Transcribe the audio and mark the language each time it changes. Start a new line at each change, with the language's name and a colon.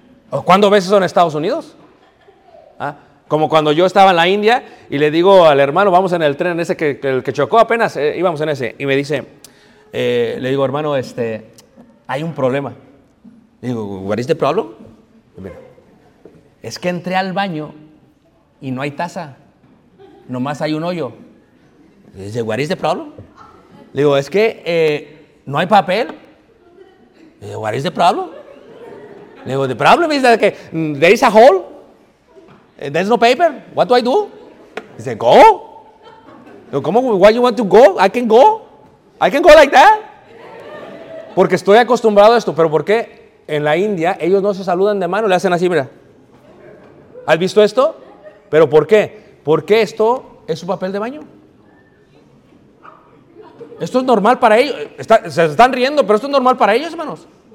Spanish: ¿O cuándo ves eso en Estados Unidos? ¿Ah? Como cuando yo estaba en la India y le digo al hermano, vamos en el tren, en ese que chocó apenas, íbamos en ese, y me dice, le digo, hermano, hay un problema. Le digo,
English: ¿what is the problem?
Spanish: Y mira, es que entré al baño y no hay taza, nomás hay un hoyo. Le dice,
English: ¿what is the problem?
Spanish: Le digo, es que no hay papel. Le digo,
English: ¿what is the problem?
Spanish: Le digo,
English: ¿the problem is that there is a hole? There's no paper. What do I do? He said, go.
Spanish: Le digo,
English: why you want to go? I can go. I can go like that.
Spanish: Porque estoy acostumbrado a esto. Pero ¿por qué? En la India, ellos no se saludan de mano. Le hacen así, mira. ¿Has visto esto? Pero ¿por qué? Porque esto es su papel de baño. Esto es normal para ellos. Se están riendo, pero esto es normal para ellos, hermanos.